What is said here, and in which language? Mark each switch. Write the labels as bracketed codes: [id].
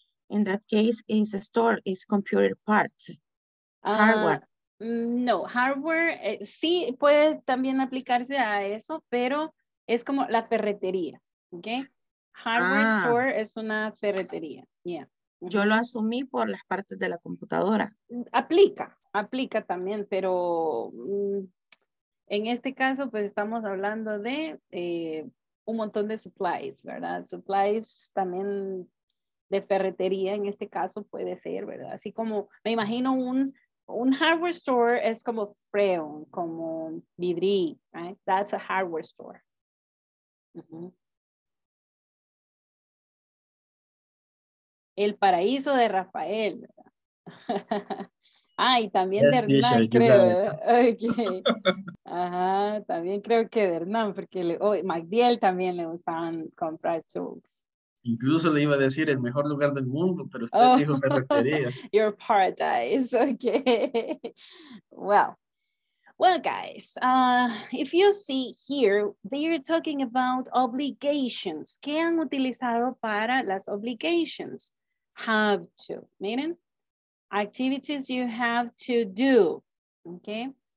[en] In that case, is a store, is computer parts. Hardware. [es] No, hardware, sí puede también aplicarse a eso, pero es como la ferretería, ¿ok? Hardware store es una ferretería, yeah. Yo lo asumí por las partes de la computadora. Aplica también, pero en este caso, pues estamos hablando de un montón de supplies, ¿verdad? Supplies también de ferretería en este caso puede ser, ¿verdad? Así como, me imagino un hardware store es como freo, como vidrí, [en] right? That's a hardware store. Uh-huh. [es] El paraíso de Rafael. Ay, también de Hernán, teacher, creo. Okay. Ajá, también creo que de Hernán, porque MacDiel también le gustaban comprar tools. Incluso le iba a decir el mejor lugar del mundo, pero usted dijo ferretería. [en] Your paradise, okay. Well, guys, if you see here, they are talking about obligations. [es] ¿Qué han utilizado para las obligations? [en] Have to, meaning activities you have to do, okay?